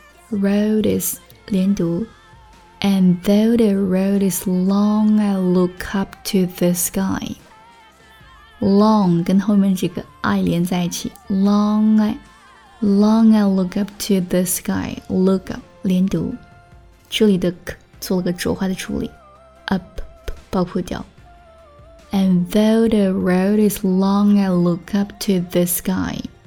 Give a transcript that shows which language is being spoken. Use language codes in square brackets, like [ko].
[en] Road is [zh] 连读。 [en] And though the road is long, I look up to the sky. Long [zh] 跟后面这个 I 连在一起 [en] Long I look up to the sky. Look up [zh] 连读，这里的 k 做了个浊化的处理。 Up 爆破掉。 [en] And though the road is long I look up to the sky.